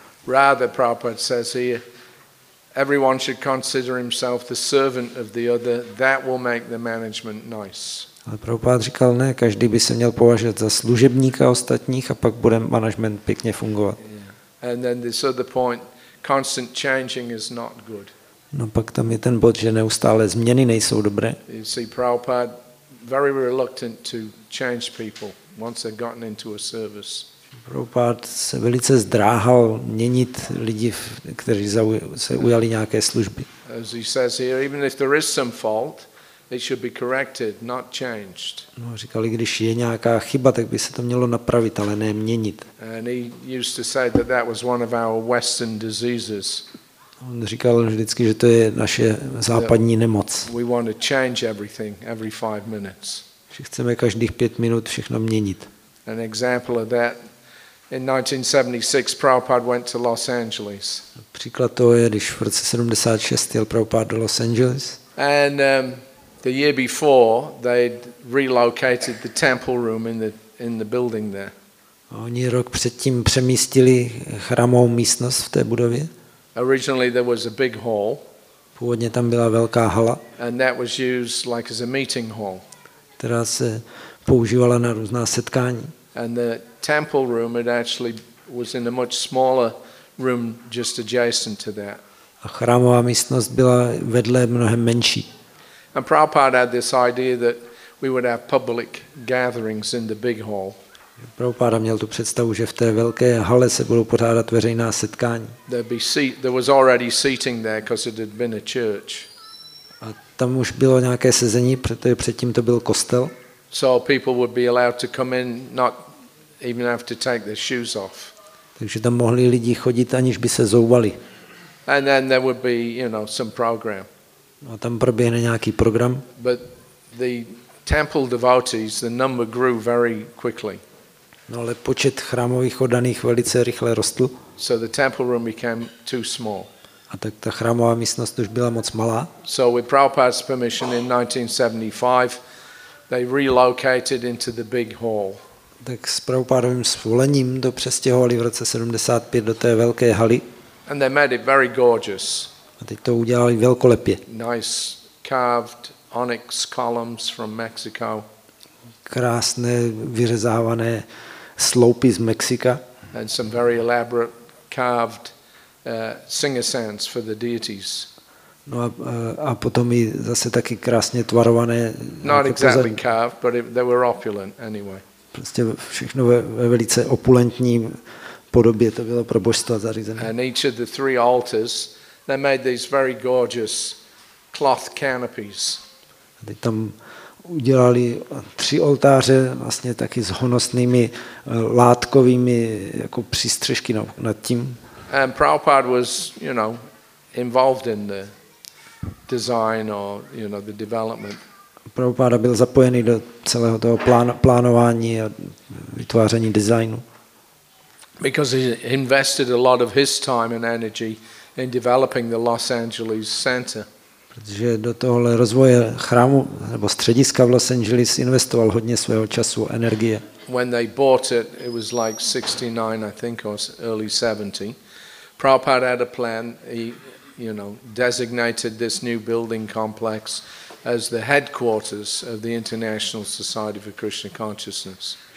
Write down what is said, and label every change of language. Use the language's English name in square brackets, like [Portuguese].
[English] Rather, Prabhupada says here, everyone should consider himself the servant of the other. That will make the management nice. [Czech] Ale Prabhupád říkal, ne, každý by se měl považovat za služebníka ostatních a pak bude management pěkně fungovat. [English] Yeah. And then this other point, constant changing is not good. [Czech] No pak tam je ten bod, že neustále změny nejsou dobré. [English] You see, Prabhupád very reluctant to change people once they've gotten into a service. [Czech] Prabhupád se velice zdráhal měnit lidi, kteří se ujali nějaké služby. [English] As he says here, even if there is some fault, it should be corrected, not changed. [Czech] No, říkali, když je nějaká chyba, tak by se to mělo napravit, ale ne měnit. [English] And he used to say that that was one of our Western diseases. [Czech] On říkal vždycky, že to je naše západní nemoc. [English] We want to change everything every 5 minutes. [Czech] Že chceme každých 5 minut všechno měnit. [English] An example of that. In 1976, Prabhupada went to Los Angeles. [Czech] Příklad toho je, když v roce 76 jel Prabhupada do Los Angeles. [English] And the year before, they'd relocated the temple room in the building there. [Czech] Oni rok předtím přemístili chrámovou místnost v té budově. [English] Originally there was a big hall. [Czech] Původně tam byla velká hala. [English] And that was used like as a meeting hall. [Czech] Která se používala na různá setkání. [English] And the temple room it actually was in a much smaller room just adjacent to that. [Czech] A chrámová místnost byla vedle mnohem menší. [English] And Prabhupada had this idea that we would have public gatherings in the big hall. [Czech] Prabhupada měl tu představu, že v té velké hale se budou pořádat veřejná setkání. [English] There was already seating there because it had been a church. [Czech] A tam už bylo nějaké sezení, protože předtím to byl kostel. [English] So people would be allowed to come in, not even have to take their shoes off. [Czech] Takže tam mohli lidi chodit, aniž by se zouvali. [English] And then there would be, you know, some program. [Czech] A tam proběhne nějaký program. [English] But the temple devotees, the number grew very quickly. [Czech] No, ale počet chrámových oddaných velice rychle rostl. [English] So the temple room became too small. [Czech] A tak ta chrámová místnost už byla moc malá. [English] So with Prabhupada's permission in 1975, they relocated into the big hall. [Czech] Tak s Prabhupádovým svolením to přestěhovali v roce 75 do té velké haly. [English] And they made it very gorgeous. [Czech] A teď to udělali velkolepě. [English] Nice carved onyx columns from Mexico. [Czech] Krásné vyřezávané sloupy z Mexika. [English] And some very elaborate carved singasans for the deities. [Czech] No a potom i zase taky krásně tvarované. [English] Not exactly carved, but they were opulent anyway. [Czech] Prostě všechno ve velice opulentní podobě to bylo pro božstva zařízené. [English] And each of the three altars, they made these very gorgeous cloth canopies. [Czech] A teď tam udělali tři oltáře vlastně taky s honosnými látkovými jako přístřešky nad tím. [English] And Prabhupada was, you know, involved in the design or, you know, the development. [Czech] Prabhupada byl zapojený do celého toho plánování a vytváření designu. [English] Because he invested a lot of his time and energy in developing the Los Angeles Center. [Czech] Protože do tohohle rozvoje chrámu nebo střediska v Los Angeles investoval hodně svého času a energie. [English] When they bought it, it was like 69, I think, or early 70. Prabhupada had a plan. He, you know, designated this new building complex as the headquarters of the International Society for Krishna Consciousness.